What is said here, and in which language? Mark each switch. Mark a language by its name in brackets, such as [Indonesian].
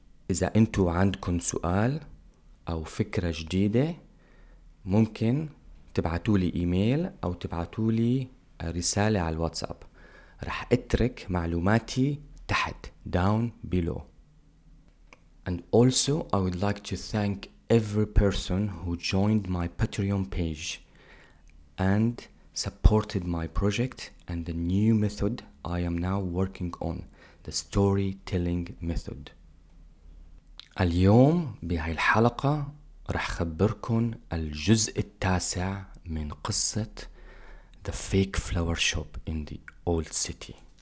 [Arabic] إذا أنتو عندكن سؤال أو فكرة جديدة ممكن تبعتوا لي إيميل أو تبعتوا لي رسالة على الواتساب، رح أترك معلوماتي تحت [English] down below. And also I would like to thank every person who joined my Patreon page and supported my project and the new method I am now working on, the storytelling method. [Arabic] اليوم بهاي الحلقة رح خبركن الجزء التاسع من قصة The Fake Flower Shop in the Old City.